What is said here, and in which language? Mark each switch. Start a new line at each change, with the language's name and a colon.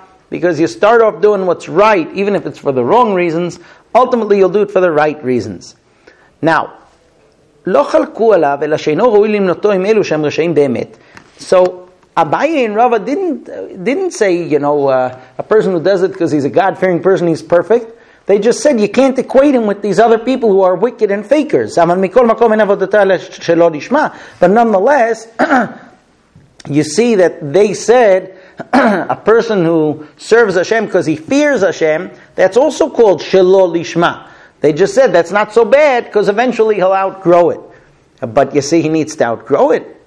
English: Because you start off doing what's right, even if it's for the wrong reasons, ultimately you'll do it for the right reasons.
Hebrew: Now, לא חלקו עליו, אלא שאינו ראוי למנותו עם אלו שהם רשעים באמת.
English: So, Abaye and Rava didn't say, you know, a person who does it because he's a God-fearing person, he's perfect. They just said, you can't equate him with these other people who are wicked and fakers.
Hebrew: אבל מכל מקום אין עבודתו אלא שלא נשמע.
English: But nonetheless, you see that they said, a person who serves Hashem because he fears Hashem, that's also called שלא נשמע. They just said, that's not so bad, because eventually he'll outgrow it. But you see, he needs to outgrow it.